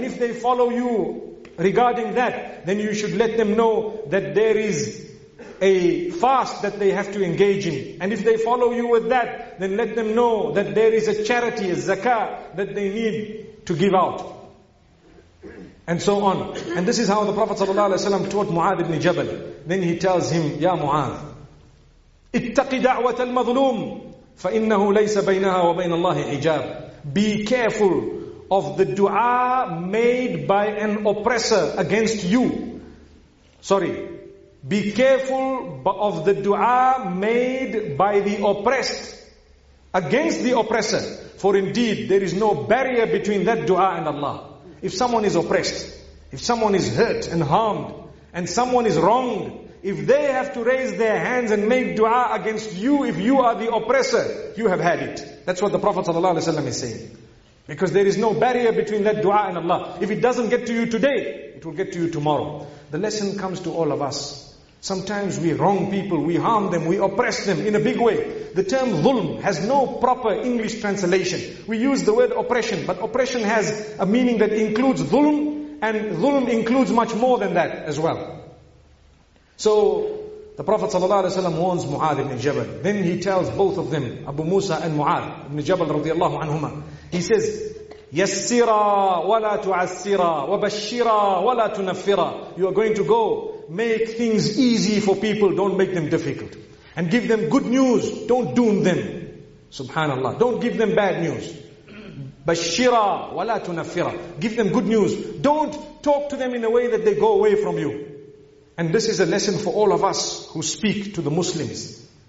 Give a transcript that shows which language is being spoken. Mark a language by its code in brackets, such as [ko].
[en] And if they follow you regarding that, then you should let them know that there is a fast that they have to engage in. And if they follow you with that, then let them know that there is a charity, a zakah, that they need to give out. And so on. And this is how the Prophet ﷺ taught Mu'adh ibn Jabal. Then he tells him, Ya Mu'adh, [ar] اتَّقِ دَعْوَةَ الْمَظْلُومِ فَإِنَّهُ لَيْسَ بَيْنَهَا وَبَيْنَ اللَّهِ حِجَابٍ. [en] Be careful of the dua made by an oppressor against you. Sorry. Be careful of the dua made by the oppressed against the oppressor. For indeed, there is no barrier between that dua and Allah. If someone is oppressed, if someone is hurt and harmed, and someone is wronged, if they have to raise their hands and make dua against you, if you are the oppressor, you have had it. That's what the Prophet ﷺ is saying. Because there is no barrier between that dua and Allah. If it doesn't get to you today, it will get to you tomorrow. The lesson comes to all of us. Sometimes we wrong people, we harm them, we oppress them in a big way. The term dhulm has no proper English translation. We use the word oppression, but oppression has a meaning that includes dhulm, and dhulm includes much more than that as well. So the Prophet ﷺ warns Mu'adh ibn Jabal. Then he tells both of them, Abu Musa and Mu'adh ibn Jabal radiallahu anhuma. He says, [ar] يَسِّرَا وَلَا تُعَسِّرَا وَبَشِّرَا وَلَا تُنَفِّرَا. [en] You are going to go. Make things easy for people, don't make them difficult. And give them good news, don't doom them. Subhanallah. Don't give them bad news. [ar] Bashira wala tunafira. [en] Give them good news. Don't talk to them in a way that they go away from you. And this is a lesson for all of us who speak to the Muslims.